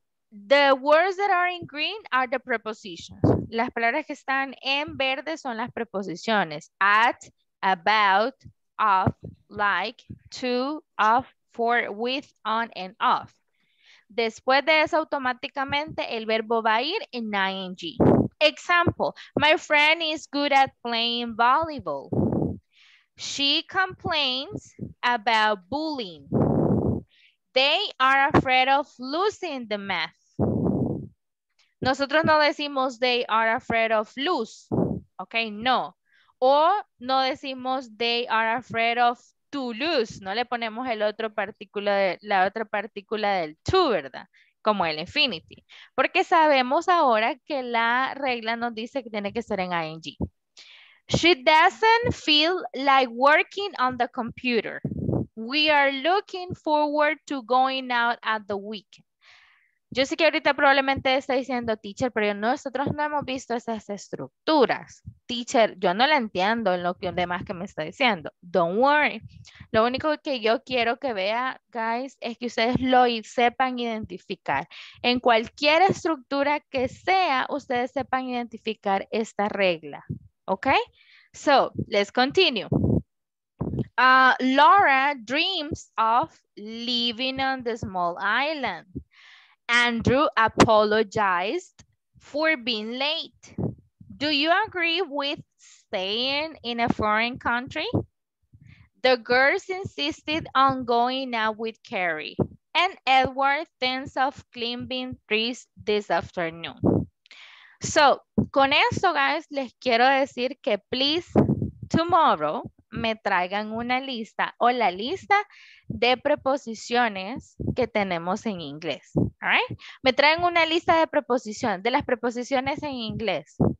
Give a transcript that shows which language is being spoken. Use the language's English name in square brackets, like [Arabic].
[English] The words that are in green are the prepositions. [Spanish] Las palabras que están en verde son las preposiciones. [English] At, about, of, like, to, of, for, with, on, and off. [Spanish] Después de eso, automáticamente, el verbo va a ir en ing. [English] Example, my friend is good at playing volleyball. She complains about bullying. They are afraid of losing the math. [Spanish] Nosotros no decimos [English] they are afraid of lose, ¿ok? No. [Spanish] O no decimos [English] they are afraid of to lose. [Spanish] No le ponemos el otro partícula, la otra partícula del to, ¿verdad? como el infinity. Porque sabemos ahora que la regla nos dice que tiene que ser en ing. [English] She doesn't feel like working on the computer. We are looking forward to going out at the weekend. [Spanish] Yo sé que ahorita probablemente está diciendo teacher, pero nosotros no hemos visto esas estructuras. Teacher, yo no la entiendo en lo que demás que me está diciendo. [English] Don't worry. [Spanish] Lo único que yo quiero que vea, guys, es que ustedes lo sepan identificar. En cualquier estructura que sea, ustedes sepan identificar esta regla. [English] Okay? So, let's continue. Laura dreams of living on the small island. Andrew apologized for being late. Do you agree with staying in a foreign country? The girls insisted on going out with Carrie, and Edward thinks of climbing trees this afternoon. [Spanish] So, con esto, guys, les quiero decir que please, tomorrow, me traigan una lista o la lista de preposiciones que tenemos en inglés. [English] All right? [Spanish] Me traen una lista de preposiciones, de las preposiciones en inglés.